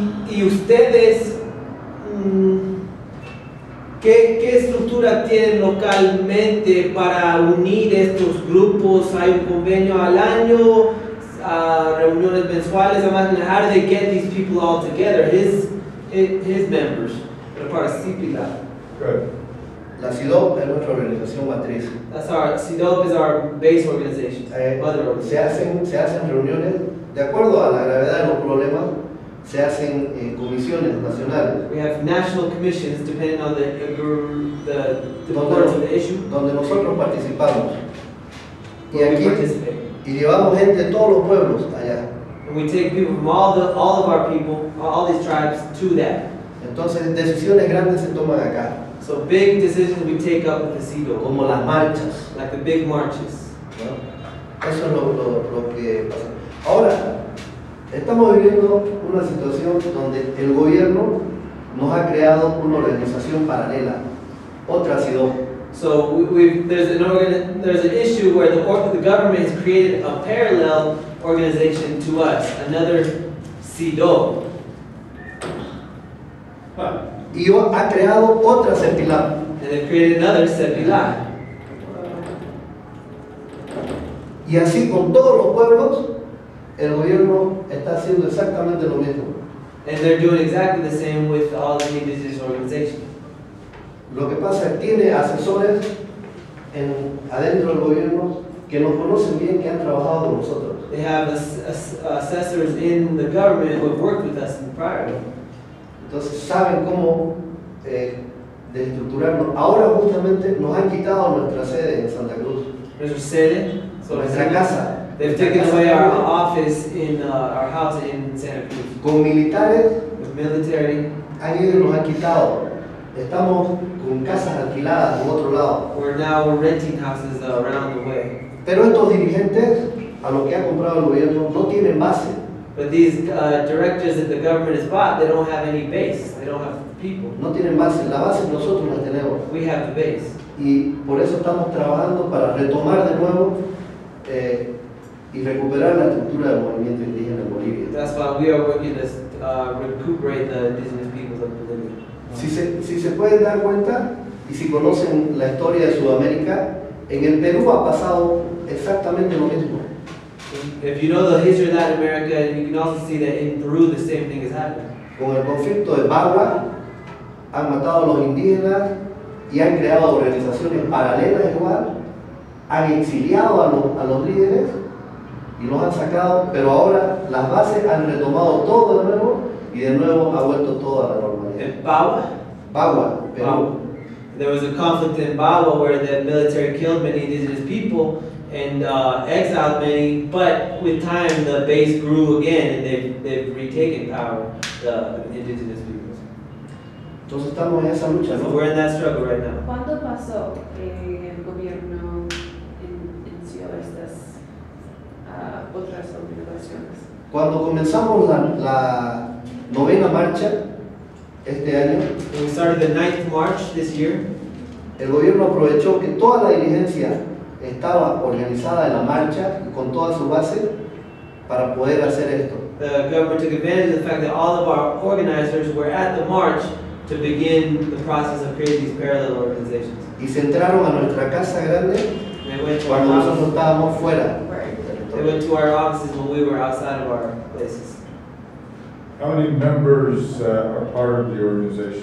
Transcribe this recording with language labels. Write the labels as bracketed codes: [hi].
[es] ¿Y ustedes qué estructura tienen localmente para unir estos grupos? ¿Hay un convenio al año, reuniones mensuales? [en] Imagine, how do they get these people all together, his members, the part of CIPILA? Good. [es] La CIDOP es nuestra organización matriz. [en] CIDOP is our base organization. [es] Se hacen reuniones de acuerdo a la gravedad de los problemas. Se hacen comisiones nacionales. [en] We have national commissions depending on the issue. [es] Donde nosotros participamos. Y llevamos gente de todos los pueblos allá. [en] And we take people from all of our people, all these tribes to that. [es] Entonces decisiones grandes se toman acá. [en] So big decisions we take up with the CIDO. [es] Como las marchas. [en] Like the big marches. [es] ¿No? Eso es lo que pasa. Ahora, estamos viviendo una situación donde el gobierno nos ha creado una organización paralela, otra CIDO. [en] So there's an issue where the government has created a parallel organization to us, another CIDO. [es] Y ha creado otra CEPILA. [en] And they've created another CEPILA. [es] Y así con todos los pueblos. El gobierno está haciendo exactamente lo mismo. [en] And they're doing exactly the same with all the indigenous organizations. [es] Lo que pasa es que tiene asesores adentro del gobierno que nos conocen bien, que han trabajado con nosotros. [en] They have assessors in the government who have worked with us in prior. [es] Entonces saben cómo estructurarnos. Ahora justamente nos han quitado nuestra sede en Santa Cruz. Nuestra sede, nuestra casa. [en] They've taken away our office in our house in Santa Cruz. [es] Con militares. [en] With military. [es] Han ido y nos han quitado. Estamos con casas alquiladas en otro lado. [en] We're now renting houses around the way. [es] Pero estos dirigentes, a los que ha comprado el gobierno, no tienen base. [en] But these directors that the government has bought, they don't have any base. They don't have people. [es] No tienen base. La base nosotros la tenemos. [en] We have the base. [es] Y por eso estamos trabajando para retomar de nuevo y recuperar la estructura del movimiento indígena en Bolivia. [en] That's why we are working to recuperate the indigenous peoples of Bolivia. [es] Si se pueden dar cuenta y si conocen la historia de Sudamérica, en el Perú ha pasado exactamente lo mismo. [en] If you know the history of Latin America, you can also see that in Peru the same thing has happened. [es] Con el conflicto de Barba, han matado a los indígenas y han creado organizaciones paralelas igual, han exiliado a los líderes y los han sacado, pero ahora las bases han retomado todo de nuevo y de nuevo ha vuelto todo a la normalidad. En Bagua? Bagua, Perú. Bagua. [en] There was a conflict in Bagua where the military killed many indigenous people and exiled many, but with time the base grew again and they've retaken power, the indigenous peoples. [es] Entonces estamos en esa lucha, ¿no? [en] So we're in that struggle right now. [es] ¿Cuándo pasó el gobierno en Ciudad Estas otras obligaciones? Cuando comenzamos la novena marcha este año, [en] when we started the ninth march this year, [es] el gobierno aprovechó que toda la dirigencia estaba organizada en la marcha con toda su base para poder hacer esto. [en] The government took advantage of the fact that all of our organizers were at the march to begin the process of creating these parallel organizations. [es] Y se entraron a nuestra casa grande cuando nosotros estábamos fuera. [en] They went to our offices when we were outside of our places. How many members are part of the organization?